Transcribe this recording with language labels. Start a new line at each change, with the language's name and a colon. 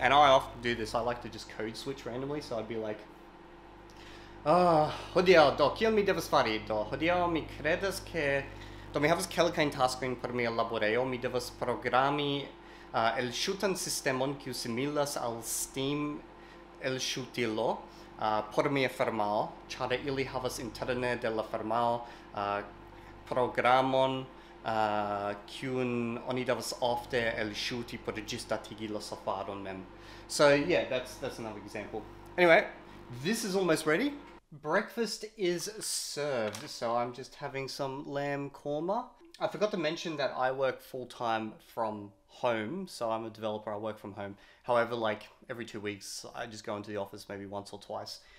English: And I often do this, I like to just code switch randomly. So I'd be like,
Esperanto: hodiaŭ do, kiel mi devas fari do? Hodiaŭ mi kredas ke, do mi havas kelkajn taskojn por mia laborejo. Mi devas programi elŝutan sistemon kiu similas al Steam elŝutilo. Por mia firmao, ĉar ili havas interne de la firmao programon kiun oni devas ofte elŝuti por ĝisdatigi la safaron mem.
English: So yeah, that's another example. Anyway, this is almost ready. Breakfast is served, so I'm just having some lamb korma. I forgot to mention that I work full-time from home, so I'm a developer, I work from home. However, like every 2 weeks, I just go into the office maybe once or twice.